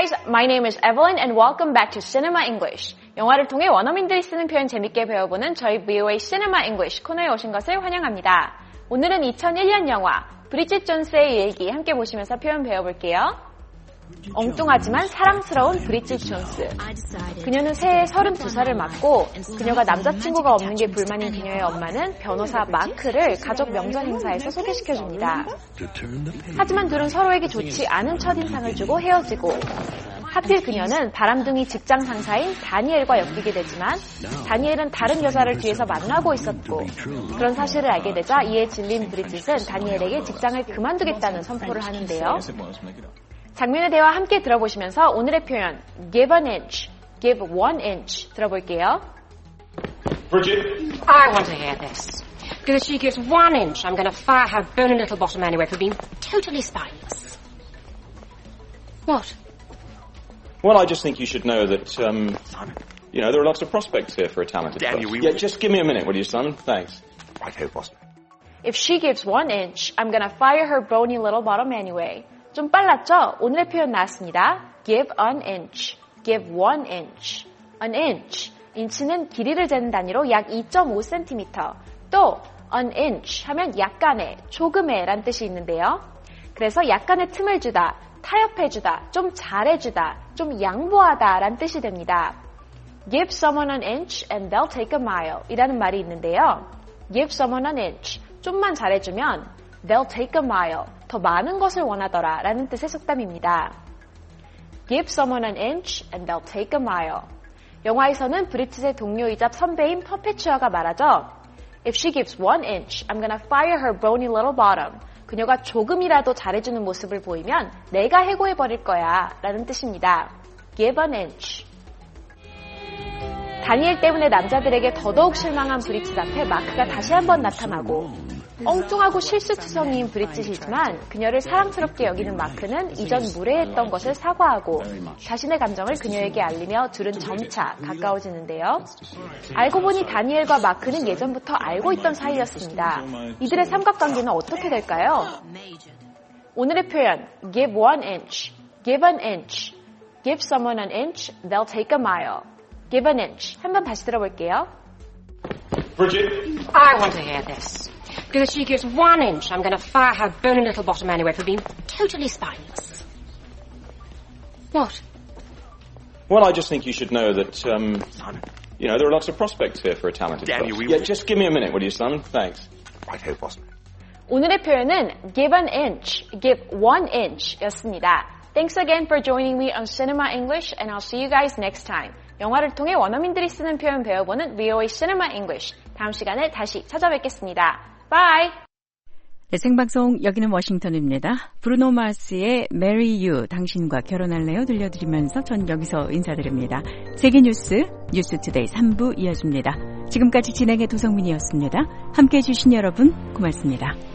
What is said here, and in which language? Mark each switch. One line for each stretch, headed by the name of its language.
English: My name is Evelyn and welcome back to Cinema English.
Korean: 영화를 통해 원어민들이 쓰는 표현 재밌게 배워보는 저희 VOA Cinema English 코너에 오신 것을 환영합니다. 오늘은 2001년 영화 브리짓 존스의 일기 함께 보시면서 표현 배워볼게요. 엉뚱하지만 사랑스러운 브리짓 존스. 그녀는 새해 32살을 맞고 그녀가 남자친구가 없는 게 불만인 그녀의 엄마는 변호사 마크를 가족 명절 행사에서 소개시켜줍니다. 하지만 둘은 서로에게 좋지 않은 첫인상을 주고 헤어지고 하필 그녀는 바람둥이 직장 상사인 다니엘과 엮이게 되지만 다니엘은 다른 여자를 뒤에서 만나고 있었고 그런 사실을 알게 되자 이에 질린 브리짓은 다니엘에게 직장을 그만두겠다는 선포를 하는데요. 장면의 대화 함께 들어보시면서 오늘의 표현
English: give an inch, give one inch
Korean: 들어볼게요.
English: Bridget, I want to hear this. Because she gives one inch, I'm going to fire her bony little bottom anyway for being totally spineless. What? Well, I just think you should know that, you know, there are lots of prospects here for a talented person. Yeah, just give me a minute, will you, son? Thanks. Right, boss. If she gives one inch, I'm going to fire her bony little bottom anyway.
Korean: 좀 빨랐죠? 오늘의 표현 나왔습니다.
English: Give an inch. Give one inch. An inch.
Korean: 인치는 길이를 재는 단위로 약 2.5cm. 또 an inch 하면 약간의, 조금의 라는 뜻이 있는데요. 그래서 약간의 틈을 주다, 타협해주다, 좀 잘해주다, 좀 양보하다 라는 뜻이 됩니다.
English: Give someone an inch and they'll take a mile
Korean: 이라는 말이 있는데요.
English: Give someone an inch.
Korean: 좀만 잘해주면
English: they'll take a mile.
Korean: 더 많은 것을 원하더라 라는 뜻의 속담입니다.
English: Give someone an inch and they'll take a mile.
Korean: 영화에서는 브리짓의 동료이자 선배인 퍼페추아가 말하죠.
English: If she gives one inch, I'm gonna fire her bony little bottom.
Korean: 그녀가 조금이라도 잘해주는 모습을 보이면 내가 해고해버릴 거야 라는 뜻입니다.
English: Give an inch.
Korean: 다니엘 때문에 남자들에게 더더욱 실망한 브리짓 앞에 마크가 다시 한번 나타나고 엉뚱하고 실수투성이인 브리짓이지만 그녀를 사랑스럽게 여기는 마크는 이전 무례했던 것을 사과하고 자신의 감정을 그녀에게 알리며 둘은 점차 가까워지는데요. 알고 보니 다니엘과 마크는 예전부터 알고 있던 사이였습니다. 이들의 삼각관계는 어떻게 될까요? 오늘의 표현
English: give one inch, give an inch, give someone an inch, they'll take a mile. Give an inch.
Korean: 한번 다시 들어볼게요.
English: Bridget, I want to hear this. Because if she gives one inch, I'm going to fire her bony little bottom anyway for being totally spineless. What? Well, I just think you should know that, you know, there are lots of prospects here for a talented person. Yeah, just give me a minute, will you, son? Thanks. Right, hey, boss.
Korean: 오늘의 표현은
English: give an inch, give one inch
Korean: 였습니다.
English: Thanks again for joining me on Cinema English, and I'll see you guys next time.
Korean: 영화를 통해 원어민들이 쓰는 표현 배워보는 VOA Cinema English. 다음 시간에 다시 찾아뵙겠습니다.
English: Bye!
Korean: 네, 생방송 여기는 워싱턴입니다. 브루노 마스의 Marry You, 당신과 결혼할래요? 들려드리면서 전 여기서 인사드립니다. 세계뉴스, 뉴스투데이 3부 이어집니다. 지금까지 진행의 도성민이었습니다. 함께해 주신 여러분 고맙습니다.